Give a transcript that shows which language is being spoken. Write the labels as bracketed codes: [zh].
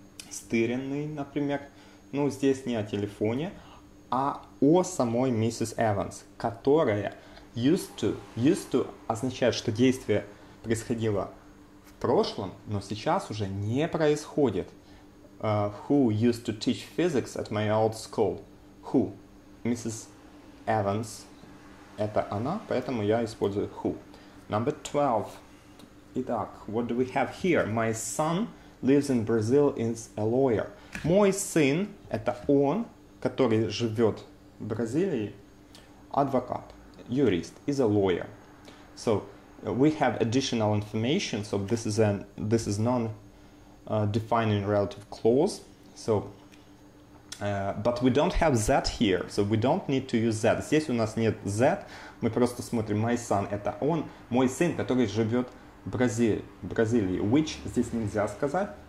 [ru] Стыренный, например. Ну, здесь не о телефоне, а о самой миссис Эванс, которая used to означает, что действие происходило в прошлом, но сейчас уже не происходит. [en] Who used to teach physics at my old school? [ru] Who? Миссис Эванс. Это она, поэтому я использую who. [en] Number 12. [ru] Итак, [en] what do we have here? My son lives in Brazil, is a lawyer. [ru] Мой сын, это он, который живет в Бразилии, адвокат, юрист, [en] is a lawyer. So, we have additional information, so this is non-defining relative clause. So, but we don't have that here, so we don't need to use that. [ru] Здесь у нас нет that, мы просто смотрим, [en] my son, [ru] это он, мой сын, который живет в Бразилии, which здесь нельзя сказать.